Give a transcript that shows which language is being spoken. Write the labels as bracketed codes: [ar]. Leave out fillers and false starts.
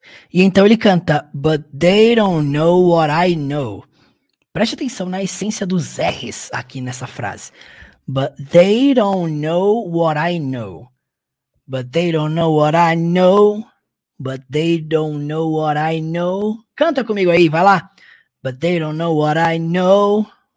[pt] E então ele canta, [en] but they don't know what I know. [pt] Preste atenção na essência dos R's aqui nessa frase. [en] But they don't know what I know. But they don't know what I know. But they don't know what I know. [pt] Canta comigo aí, vai lá. [en] But they don't know what I know.